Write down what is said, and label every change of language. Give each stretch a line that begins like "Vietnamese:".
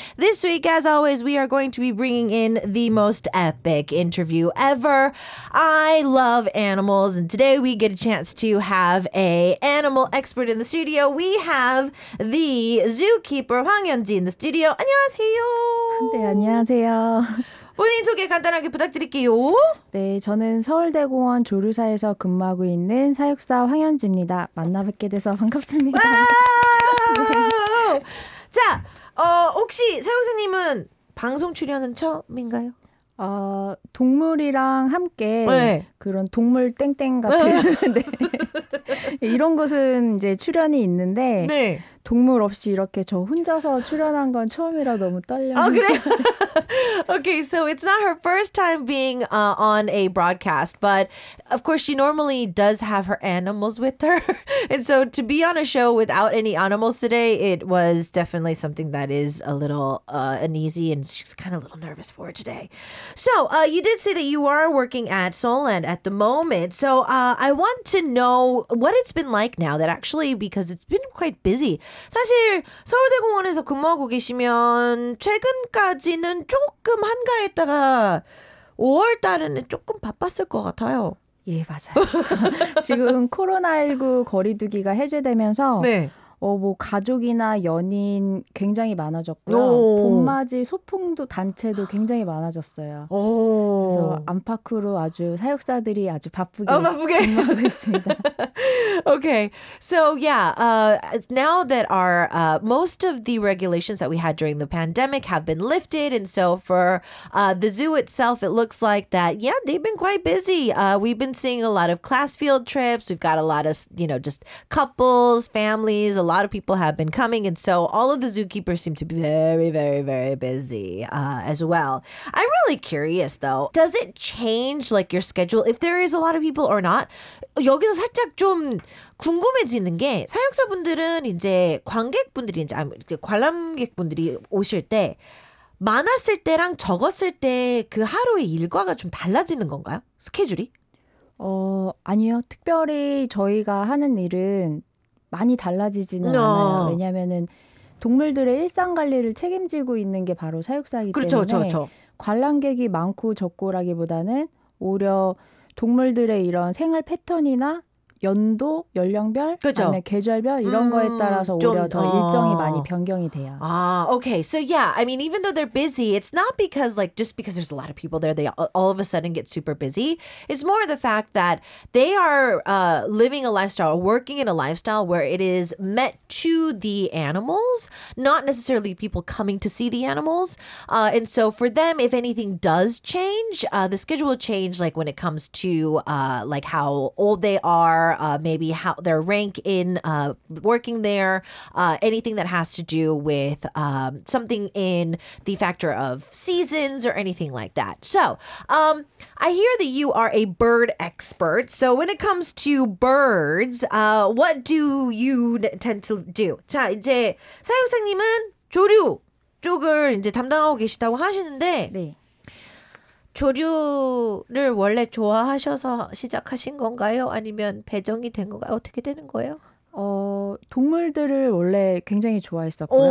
English: This week, as always, we are going to be bringing in the most epic interview ever. I love animals, and today we get a chance to have an animal expert in the studio. We have the zookeeper, Hwang Hyun-ji, in the studio.
Korean: 안녕하세요. 네, 안녕하세요. 본인 소개 간단하게 부탁드릴게요. 네, 저는 서울대공원 조류사에서 근무하고 있는 사육사 황현지입니다. 만나뵙게 돼서 반갑습니다. 자, 혹시 사육사님은 방송 출연은 처음인가요? 동물이랑 함께 네. 그런 동물 땡땡 같은 네. 이런 것은 이제 출연이 있는데 네. 동물 없이 이렇게 저 혼자서 출연한 건 처음이라 너무 떨려요. 아, 그래요?
English: Okay, so it's not her first time being on a broadcast, but of course she normally does have her animals with her. And so to be on a show without any animals today, it was definitely something that is a little uneasy and she's kind of a little nervous for today. So you did say that you are working at Seoland at the moment. So I want to know what it's been like now that actually, because it's been quite busy.
Korean: 사실 서울대공원에서 근무하고 계시면 최근까지는 조금 한가했다가 5월 달에는 조금 바빴을 것 같아요. 예, 맞아요. 지금 코로나19 거리두기가 해제되면서 네. 뭐 가족이나 연인 굉장히 많아졌고요. 봄맞이 소풍도 단체도 굉장히 많아졌어요. 오. 그래서 안팎으로 아주 사육사들이 아주 바쁘게 바쁘게 근무하고 있습니다.
English: Okay. So yeah, now that our most of the regulations that we had during the pandemic have been lifted, and so for the zoo itself, it looks like that yeah, they've been quite busy. We've been seeing a lot of class field trips. We've got a lot of, you know, just couples, families. A lot of people have been coming, and so all of the zookeepers seem to be very, very, very busy as well. I'm really curious, though. Does it change, like, your schedule if there is a lot of people or not?
Korean: 여기서 살짝 좀 궁금해지는 게 사육사분들은 이제 관객분들이 이제 관람객분들이 오실 때 많았을 때랑 적었을 때 그 하루의 일과가 좀 달라지는 건가요? 스케줄이? 아니요. 특별히 저희가 하는 일은 많이 달라지지는
English: no.
Korean: 않아요. 왜냐하면은 동물들의 일상 관리를 책임지고 있는 게 바로 사육사이기 그렇죠, 때문에 그렇죠. 관람객이 많고 적고라기보다는 오히려 동물들의 이런 생활 패턴이나 연도, 연령별, 그렇죠. 아니면 계절별 이런 거에 따라서 오히려 더 일정이 많이 변경이 돼요.
English: 아, okay. So yeah, I mean, even though they're busy, it's not because like just because there's a lot of people there, they all of a sudden get super busy. It's more the fact that they are living a lifestyle, working in a lifestyle where it is met to the animals, not necessarily people coming to see the animals. And so for them, if anything does change, the schedule will change. Like when it comes to like how old they are. Maybe how their rank in working there, anything that has to do with something in the factor of seasons or anything like that. So I hear that you are a bird expert. So when it comes to birds, what do you tend to do?
Korean: 자, 이제 사육사님은 조류 쪽을 이제 담당하고 계시다고 하시는데 네. 조류를 원래 좋아하셔서 시작하신 건가요? 아니면 배정이 된 건가요? 어떻게 되는 거예요? 동물들을 원래 굉장히 좋아했었고요.